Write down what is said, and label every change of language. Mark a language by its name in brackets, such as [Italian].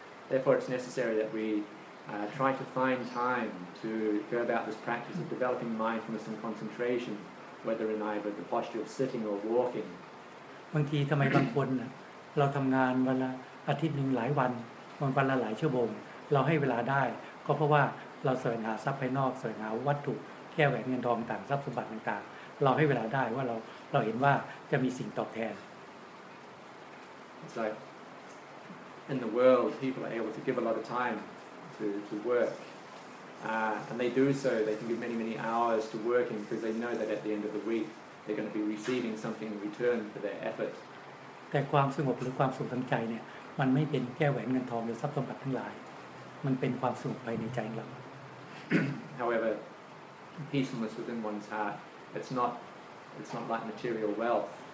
[English] Therefore it's necessary that weTry to find time to go about this practice of developing mindfulness and concentration, whether in either the posture of sitting or walking. [Thai] บางทีทำไมบางคนเราทำงานวันละอาทิตย์หนึ่งหลายวันวันละหลายชั่วโมงเราให้เวลาได้ก็เพราะว่าเราแสวงหาทรัพย์ภายนอกแสวงหาวัตถุแก้วแหวนเงินทองต่างทรัพย์สมบัติต่างๆเราให้เวลาได้ว่าเราเห็นว่าจะมีสิ่งตอบแทน [English] It's like in the world, people are able to give a lot of time. To work, and they do so. They can give many many hours to working because they know that at the end of the week they're going to be receiving something in return for their effort. [Thai] แต่ความสงบหรือความสุขทางใจเนี่ยมันไม่เป็นแก้วแหวนเงินทองหรือทรัพย์สมบัติทั้งหลายมันเป็นความสุขภายในใจเรา [English] However, peacefulness within one's heart, it's not like material wealth.